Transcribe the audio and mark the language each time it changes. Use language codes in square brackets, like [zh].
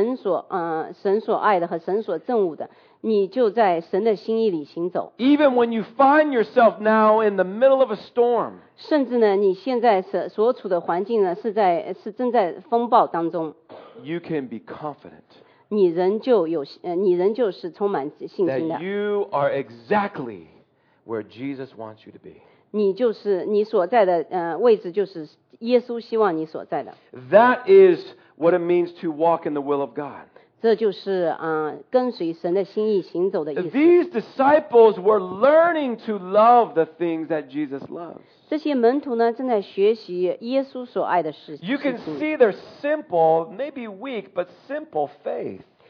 [zh] 所以在当你学习神所爱的和神所憎恶的， 你就在神的心意里行走。 [en] Even when you find yourself now in the middle of a storm, [zh] 甚至呢，你现在所处的环境呢，是正在风暴当中。 [en] You can be confident. [zh] 你仍旧是充满信心的。 [en] That you are exactly where Jesus wants you to be. [zh] 你就是你所在的位置，就是耶稣希望你所在的。 [en] That is what it means to walk in the will of God. [zh] 这就是跟随神的心意行走的意思。 [en] These disciples were learning to love the things that Jesus loves. [zh] 这些门徒呢，正在学习耶稣所爱的事情。 [en] You can see their simple, maybe weak, but simple faith.